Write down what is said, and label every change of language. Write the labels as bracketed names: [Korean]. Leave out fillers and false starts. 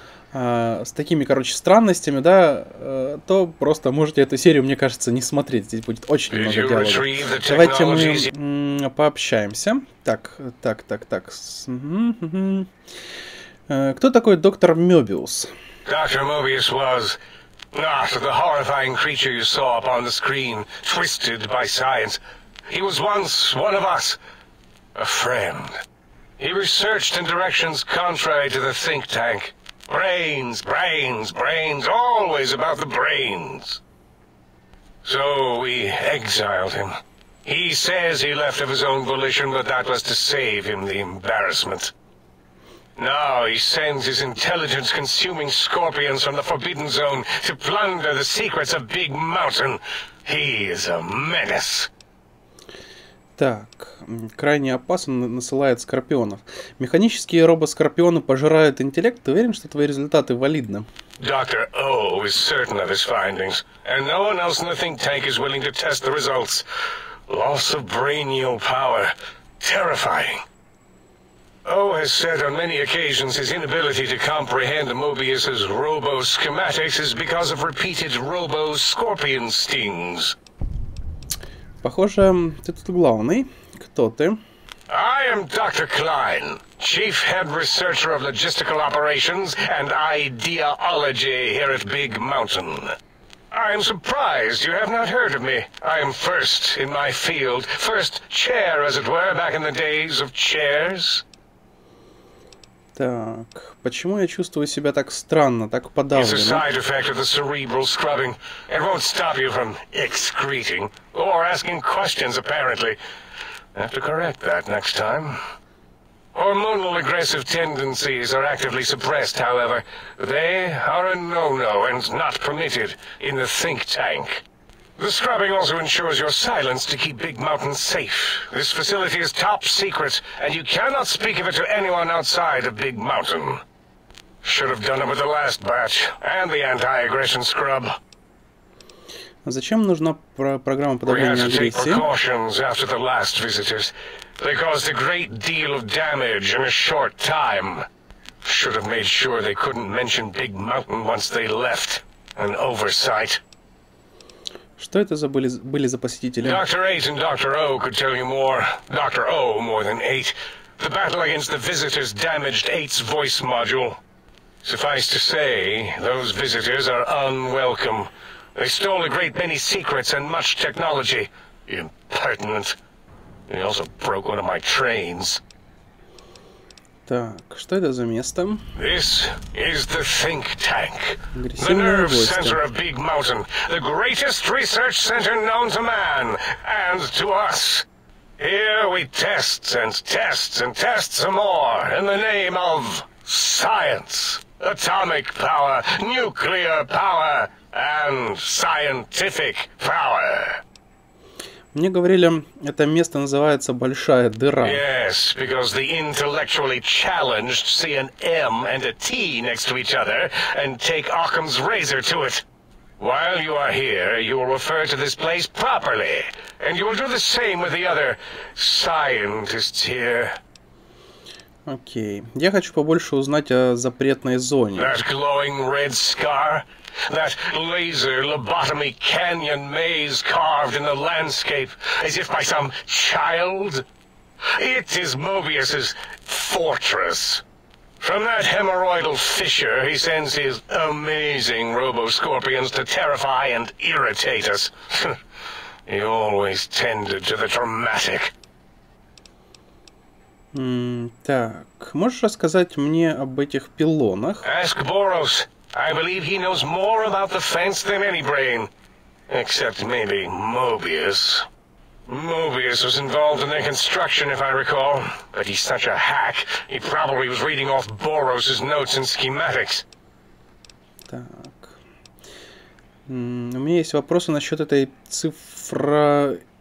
[Russian] с такими, короче, странностями, да, то просто можете эту серию, мне кажется, не смотреть. Здесь будет очень много диалогов. Давайте мы пообщаемся. Так. Кто такой доктор Мёбиус? Доктор Мёбиус был... [English] not the horrifying creature you saw upon the screen, twisted by science. He was once one of us. A friend. He researched in directions contrary to the think tank. Brains, brains, brains, always about the brains. So we exiled him. He says he left of his own volition, but that was to save him the embarrassment. Now he sends his intelligence-consuming scorpions from the Forbidden Zone to plunder the secrets of Big Mountain. He is a menace. [Russian] Так, крайне опасно, насылает скорпионов. Механические робо-скорпионы пожирают интеллект. Ты уверен, что твои результаты валидны? [English] Доктор О is certain of his findings, and no one else in the think tank is willing to test the results. Loss of brainial power. Terrifying. O has said on many occasions his inability to comprehend Mobius's robo-schematics is because of repeated robo-scorpion stings. [Russian] Похоже, ты тут главный. Кто ты? [English] I am Dr. Klein, chief head researcher of logistical operations and ideology here at Big Mountain. I am surprised you have not heard of me. I am first in my field, first chair, as it were, back in the days of chairs. [Russian] Так, почему я чувствую себя так странно, так подавлено? [English] It's a side effect of the cerebral scrubbing. It won't stop you from excreting or asking questions, apparently. I have to correct that next time. Hormonal aggressive tendencies are actively suppressed, however. They are a no-no and not permitted in the think tank. The scrubbing also ensures your silence to keep Big Mountain safe. This facility is top secret, and you cannot speak of it to anyone outside of Big Mountain. Should have done it with the last batch and the anti-aggression scrub. [Russian] Зачем нужна программа подавления агрессии? [English] We had to take precautions after the last visitors. They caused a great deal of damage in a short time. Should have made sure they couldn't mention Big Mountain once they left. An oversight. [Russian] Что это за были за посетители? [English] Dr. 8 and Dr. O could tell you more. Dr. O more than 8. The battle against the visitors damaged 8's voice module. Suffice to say, those visitors are unwelcome. They stole a great many secrets and much technology. Impertinent. They also broke one of my trains. [Russian] Так, что это за место? [English] This is the think tank. The nerve center of Big Mountain. The greatest research center known to man and to us. Here we test and test and test some more in the name of science. atomic power, nuclear power and scientific power. [Russian] Мне говорили, это место называется Большая дыра. [English] Yes, because the intellectually challenged see an M and a T next to each other and take Occam's razor to it. While you are here, you will refer to this place properly, and you will do the same with the other scientists here. [Russian] Окей. Я хочу побольше узнать о запретной зоне. [English] That glowing red scar? That laser lobotomy canyon maze carved in the landscape as if by some child? It is Mobius's fortress. From that hemorrhoidal fissure, he sends his amazing robo-scorpions to terrify and irritate us. He always tended to the dramatic. [Russian] Так, можешь рассказать мне об этих пилонах? [English] Ask Boros. I believe he knows more about the fence than any brain. Except maybe Mobius. Mobius was involved in their construction, if I recall. But he's such a hack, he probably was reading off Boros' notes and schematics. [Russian] Так. У меня есть вопросы насчет этой цифра...